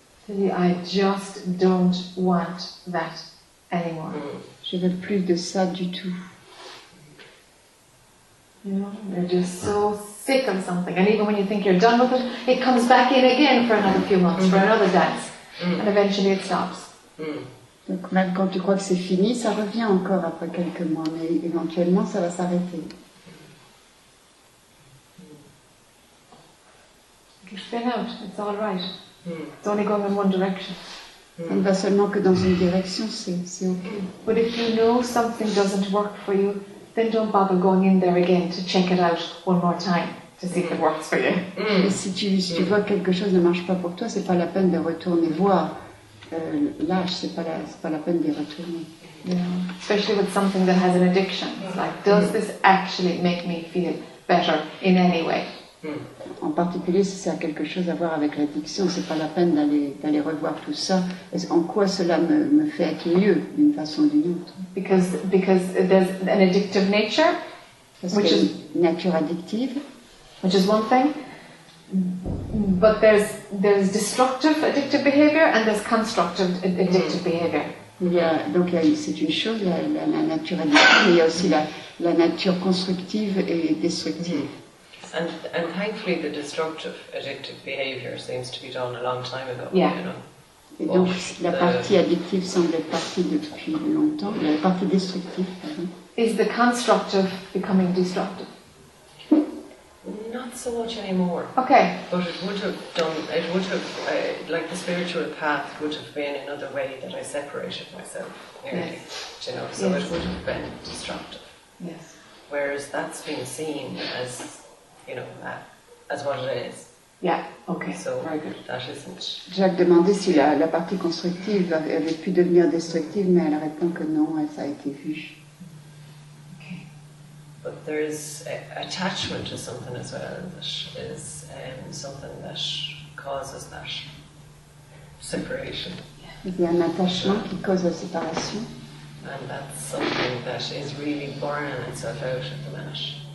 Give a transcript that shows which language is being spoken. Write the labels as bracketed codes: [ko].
[en] I just don't want that anymore. [fr] Je veux plus de ça du tout. [en] You know, you're just so sick of something, and even when you think you're done with it, it comes back in again for another few months, for another dance, and eventually it stops. [fr] Donc même quand tu crois que c'est fini, ça revient encore après quelques mois, mais éventuellement ça va s'arrêter. [en] Spin out. It's all right. It's only going in one direction. [fr] Elle va seulement que dans une direction, c'est ok. [en] But if you know something doesn't work for you, then don't bother going in there again to check it out one more time to see if it works for you. [fr] Et si tu vois quelque chose ne marche pas pour toi, c'est pas la peine de retourner voir. Lâche, c'est pas la peine d'y retourner. [en] Yeah. Especially with something that has an addiction. It's like, does this actually make me feel better in any way? [fr] En particulier si ça a quelque chose à voir avec l'addiction, c'est pas la peine d'aller revoir tout ça. En quoi cela me fait être mieux d'une façon ou d'une autre? [en] Because there's an addictive nature, which is [fr] nature addictive, [en] which is one thing. But there's destructive addictive behavior and there's constructive addictive behavior. [fr] C'est une chose, la nature addictive, mais il y a aussi la nature constructive et destructive. [en] And thankfully, the destructive addictive behavior seems to be done a long time ago. Yeah. [fr] Et donc, la partie addictive semble être partie depuis longtemps, la partie destructive. [en] Is the constructive becoming destructive? Not so much anymore. Okay. But the spiritual path would have been another way that I separated myself. Yes. You know, so yes. It would have been destructive. Yes. Whereas that's been seen as, you know, as what it is. Yeah. Okay. So very good. That isn't. [fr] Jacques demandait si la partie constructive avait pu devenir destructive, mais elle répond que non, ça a été vu. [en] But there is attachment to something as well that is something that causes that separation. [fr] Il y a un attachement qui cause la séparation. [en] And that's something that is really burning itself out at the minute.